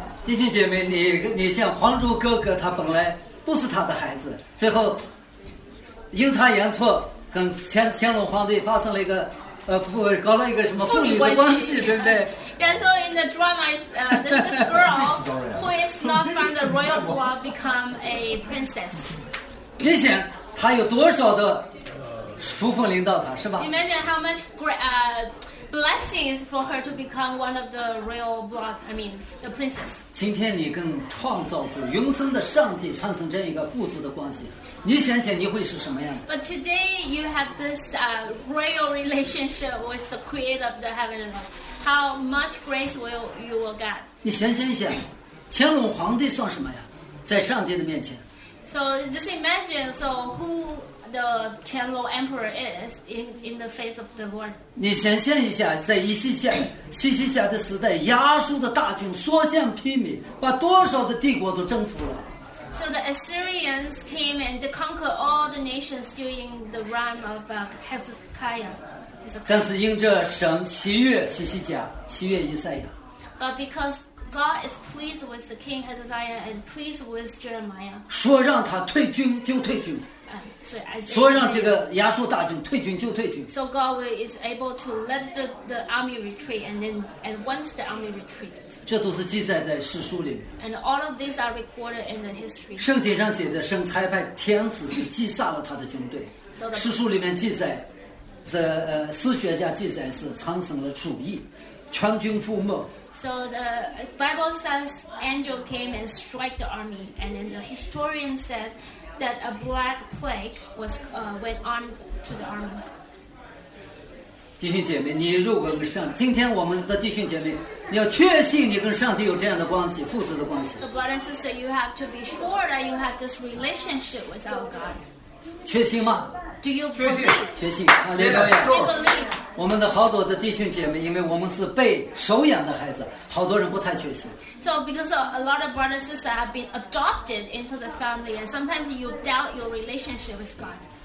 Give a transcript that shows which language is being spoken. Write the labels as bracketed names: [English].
[Chinese] 弟兄姐妹，你像《还珠格格》，他本来不是他的孩子，最后阴差阳错跟乾隆皇帝发生了一个搞了一个什么父女的关系，对不对 [English] ？Yeah, so in the drama, this girl who is not from the royal blood become a princess. [Chinese] 你想，他有多少的福分临到他，是吧 [English] ？Imagine how much great. Blessings for her to become one of the royal blood. I mean, the princess. [Chinese] 今天你跟创造主、永生的上帝产生这样一个父子的关系，你想想你会是什么样子 [English] ？But today you have this royal relationship with the creator of the heaven and earth. How much grace will you get? [Chinese] 你想，乾隆皇帝算什么呀？在上帝的面前。 [English] So just imagine. So who the Qianlong Emperor is in the face of the Lord. [Chinese] 你想象一下，在一西夏西西夏的时代，亚述的大军所向披靡，把多少的帝国都征服了。 [English] So the Assyrians came and they conquered all the nations during the realm of Hezekiah. [Chinese] 但是因着神喜悦西西夏，喜悦以赛亚。 [English] But because God is pleased with the king Hezekiah and pleased with Jeremiah. [Chinese] 说让他退军就退军。说让这个亚述大军退军就退军。 [English] So God is able to let the army retreat and then at once the army retreated. [Chinese] 这都是记载在史书里面。 [English] And all of these are recorded in the history. [Chinese] 圣经上写的神差派天使去击杀了他的军队。史书里面记载，史学家记载是产生了鼠疫，全军覆没。 [English] So the Bible says angel came and strike the army, and then the historian said that a black plague was went on to the army. [Chinese] 弟兄姐妹，你如果跟上，今天我们的弟兄姐妹，你要确信你跟上帝有这样的关系，父子的关系。 [English] So brother and sister, you have to be sure that you have this relationship with our God. [Chinese] 确信吗？ [English] Do you believe? [Chinese] 确信，阿利路亚。我们的好多的弟兄姐妹，因为我们是被收养的孩子，好多人不太确信。 [English] So because a lot of brothers and sisters have been adopted into the family, and sometimes you doubt your relationship with God.